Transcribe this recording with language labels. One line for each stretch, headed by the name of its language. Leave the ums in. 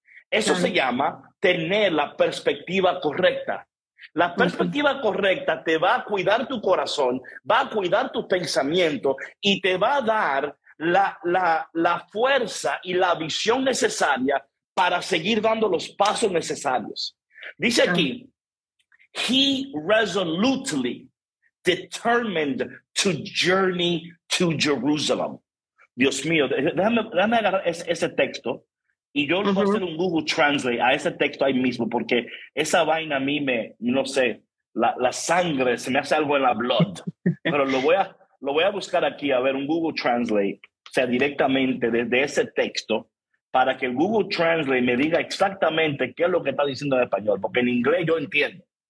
Spanish: Eso sí. se llama tener la perspectiva correcta. La perspectiva uh -huh. correcta te va a cuidar tu corazón, va a cuidar tu pensamiento y te va a dar la, la, la, fuerza y la visión necesaria para seguir dando los pasos necesarios.
English: Dice aquí, he resolutely determined to journey to Jerusalem.
Spanish: Dios mío, déjame, déjame agarrar ese, ese texto. Y yo lo voy a hacer un Google Translate a ese texto ahí mismo, porque esa vaina a mí me, no sé, la, la sangre se me hace algo en la blood. Pero lo voy, a, lo voy a buscar aquí, a ver, un Google Translate, o sea, directamente desde ese texto, para que Google Translate me diga exactamente qué es lo que está diciendo en español, porque en inglés yo entiendo.